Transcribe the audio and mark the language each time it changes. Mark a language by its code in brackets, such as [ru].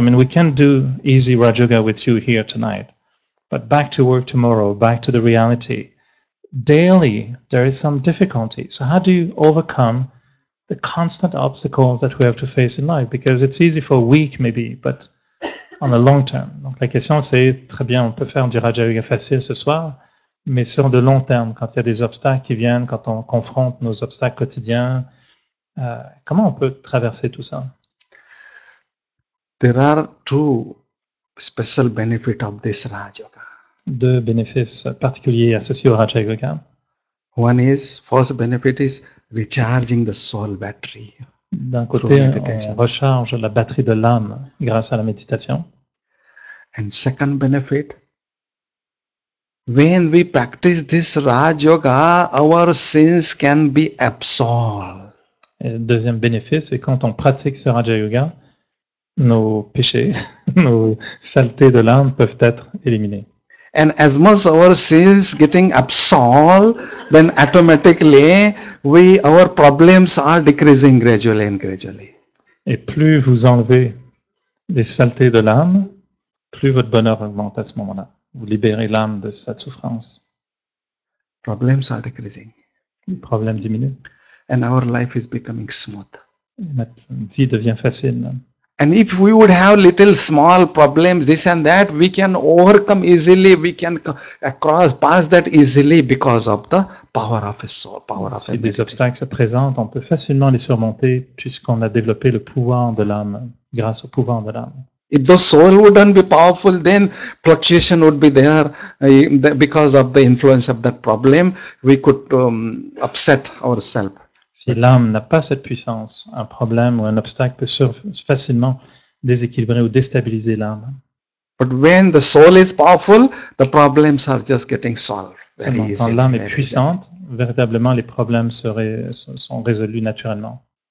[en] I mean, we can do easy Raja Yoga with you here tonight, but back to work tomorrow, back to the reality. Daily, there is some difficulty. So how do you overcome the constant obstacles that we have to face in life? Because it's easy for a week, maybe, but on the long term. [fr] Donc la question c'est, très bien, on peut faire du Raja Yoga facile ce soir, mais sur le long terme, quand il y a des obstacles qui viennent, quand on confronte nos obstacles quotidiens, comment on peut traverser tout ça? [en] There are two special benefits of this Raja Yoga. [fr] Deux bénéfices particuliers associés au Raja Yoga. [en] One is, first benefit is recharging the soul battery. [fr] D'un côté, on se recharge la batterie de l'âme grâce à la méditation. [en] And second benefit, when we practice this Raja Yoga, our sins can be absolved. [fr] Et deuxième bénéfice, c'est quand on pratique ce Raja Yoga, nos péchés, nos saletés de l'âme peuvent être éliminés. [en] And as much our sins getting absolved, then automatically our problems are decreasing gradually and gradually. [fr] Et plus vous enlevez les saletés de l'âme, plus votre bonheur augmente à ce moment-là. Vous libérez l'âme de cette souffrance. [en] Problems are decreasing. [fr] Les problèmes diminuent. [en] And our life is becoming smooth. [fr] Et notre vie devient facile. [en] And if we would have little small problems, this and that, we can overcome easily, we can pass that easily because of the power of a soul, power of a meditation. [fr] Si des obstacles se présentent, on peut facilement les surmonter puisqu'on a développé le pouvoir de l'âme, grâce au pouvoir de l'âme. [en] If the soul wouldn't be powerful, then fluctuation would be there because of the influence of that problem, we could upset ourselves. [fr] Si l'âme n'a pas cette puissance, un problème ou un obstacle peut facilement déséquilibrer ou déstabiliser l'âme. [en] But when the soul is powerful, the problems are just getting solved. [fr] Seulement quand l'âme est puissante, véritablement les problèmes sont résolus naturellement.